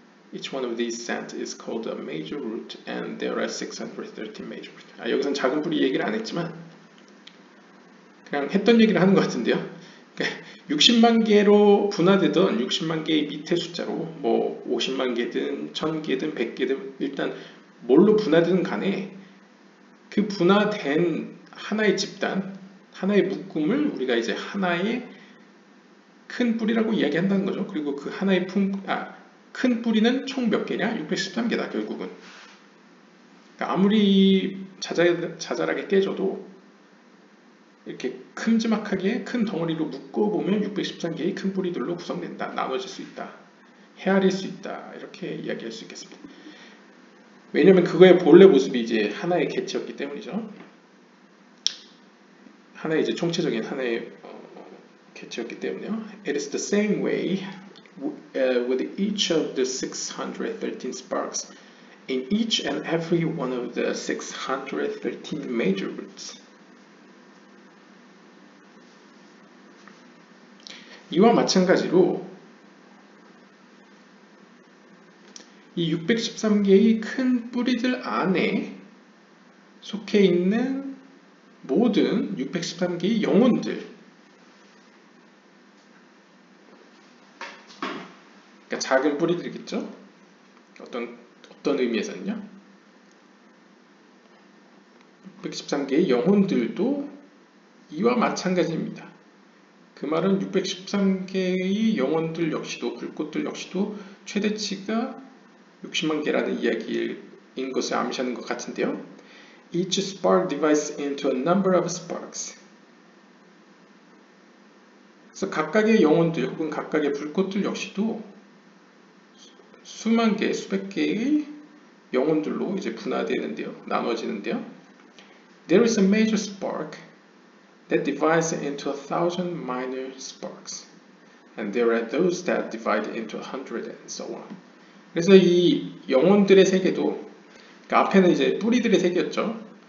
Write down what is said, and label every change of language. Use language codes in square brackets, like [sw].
[en] Each one of these sets is called a major root and there are 613 major roots. [ko] 아, 여기서는 작은 뿌리 얘기를 안 했지만 그냥 했던 얘기를 하는 것 같은데요. 60만 개로 분화되든 60만 개의 밑에 숫자로 뭐 50만 개든 1000 개든 100 개든 일단 뭘로 분화되든 간에 그 분화된 하나의 집단 하나의 묶음을 우리가 이제 하나의 큰 뿌리라고 이야기한다는 거죠. 그리고 그 하나의 큰 뿌리는 총 몇 개냐? 613개다, 결국은. 그러니까 아무리 자잘하게 깨져도 이렇게 큼지막하게 큰 덩어리로 묶어보면 613개의 큰 뿌리들로 구성된다. 나눠질 수 있다. 헤아릴 수 있다. 이렇게 이야기할 수 있겠습니다. 왜냐면 그거의 본래 모습이 이제 하나의 개체였기 때문이죠. 하나의 이제 총체적인 하나의 개체였기 때문에요. [en] It is the same way with each of the 613 sparks in each and every one of the 613 major roots. [ko] 이와 마찬가지로 이 613개의 큰 뿌리들 안에 속해 있는 모든 613개의 영혼들 그러니까 작은 뿌리들이겠죠? 어떤 의미에서는요? 613개의 영혼들도 이와 마찬가지입니다. 그 말은 613개의 영혼들 역시도 불꽃들 역시도 최대치가 60만 개라는 이야기인 것을 암시하는 것 같은데요. [en] Each spark divides into a number of sparks. [ko] 그래서 각각의 영혼들 혹은 각각의 불꽃들 역시도 수만 개, 수백 개의 영혼들로 이제 분화되는데요. 나눠지는데요. [en] There is a major spark that divides into 1,000 minor sparks, and there are those that divide into 100 and so on. [ko] 그래서 이 영혼들의 세계도 그 앞에는 이제 뿌리들의 세계였죠.